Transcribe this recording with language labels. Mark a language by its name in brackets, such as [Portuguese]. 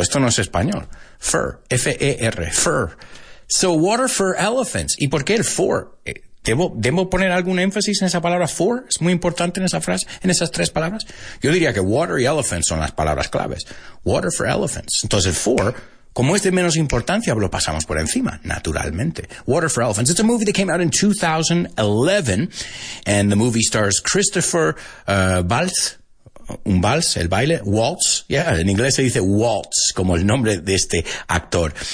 [Spanish] Esto no es español. Fur, F-E-R, fur. So, Water for Elephants. ¿Y por qué el for? ¿Debo poner algún énfasis en esa palabra for? ¿Es muy importante en esa frase, en esas tres palabras? Yo diría que water y elephants son las palabras claves. Water for Elephants. Entonces, el for, como es de menos importancia, lo pasamos por encima, naturalmente. [English] Water for Elephants. It's a movie that came out in 2011, and the movie stars Christopher Waltz. [Spanish] Un vals, el baile, waltz, [English] yeah, [Spanish] en inglés se dice waltz, como el nombre de este actor.